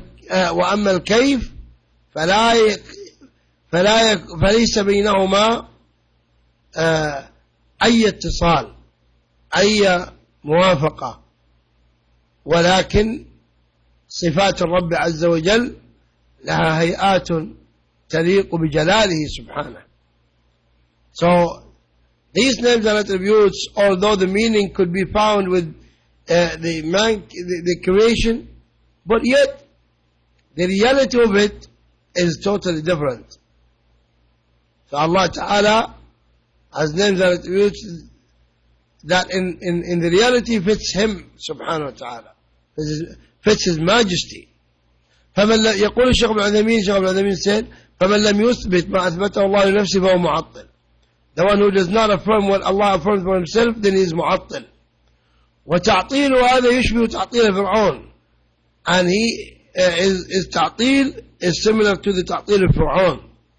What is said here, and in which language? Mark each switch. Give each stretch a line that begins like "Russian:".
Arabic: وأما الكيف فليس بينهما أي اتصال, أي موافقة, ولكن صفات الرب عز وجل لها هيئات تليق بجلاله سبحانه.
English: So these names and attributes, although the meaning could be found with the creation, but yet the reality of it is totally different. Allah Ta'ala has names and attributes that in the reality fits him, subhanahu wa ta'ala, fits his majesty.
Arabic: يقول الشيخ ابن عثيمين, الشيخ ابن عثيمين
English: said,
Arabic: فمن لم يثبت ما أثبته الله لنفسه فهو معطل.
English: The one who does not affirm what Allah affirms for himself, then he is معطل.
Arabic: وتعطيل هذا يشبه تعطيل فرعون.
English: And he is تعطيل is similar to the تعطيل فرعون.